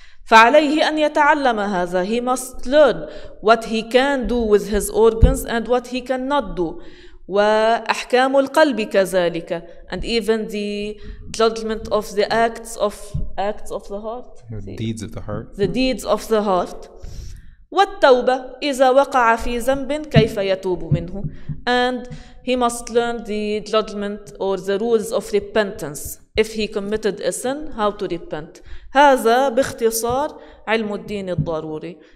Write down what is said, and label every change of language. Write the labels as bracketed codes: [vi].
[ar] فعليه أن يتعلم هذا. [en] He must learn what he can do with his organs and what he cannot do. وأحكام القلب كذلك. And even the judgment of the acts of the heart. Deeds of the heart. The deeds of the heart. [ar] والتوبة إذا وقع في ذنب كيف يتوب منه. [en] And he must learn the judgment or the rules of repentance. If he committed a sin, how to repent. [ar] هذا باختصار علم الدين الضروري.